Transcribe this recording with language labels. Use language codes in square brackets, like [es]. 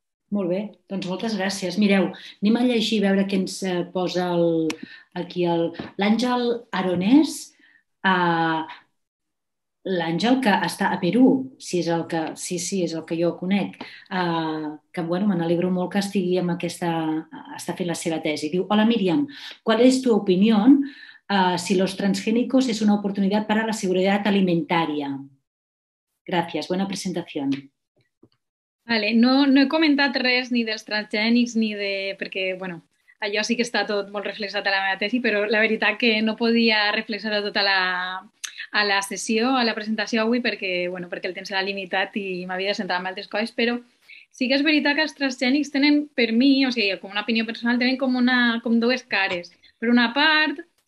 [ca] Molt bé, doncs moltes gràcies. Mireu, anem a llegir a veure què ens posa l'Àngel Aronés, l'Àngel que està a Perú, si és el que, sí, és el que jo conec, que bueno, me n'alegro molt que estigui amb aquesta, està fent la seva tesi. [es] Diu, hola Míriam, qual és tu opinió si los transgénicos es una oportunidad para la seguridad alimentaria. Gracias, buena presentación. [ca] Vale, no he comentat res ni dels transgènics ni de... perquè, bueno, allò sí que està tot molt reflexat a la meva tesi, però la veritat que no podia reflexar tot a la sessió, a la presentació avui, perquè, bueno, perquè el temps era limitat i m'havia de centrar en altres coses, però sí que és veritat que els transgènics tenen, per mi, o sigui, com una opinió personal, tenen com dues cares. Per una part...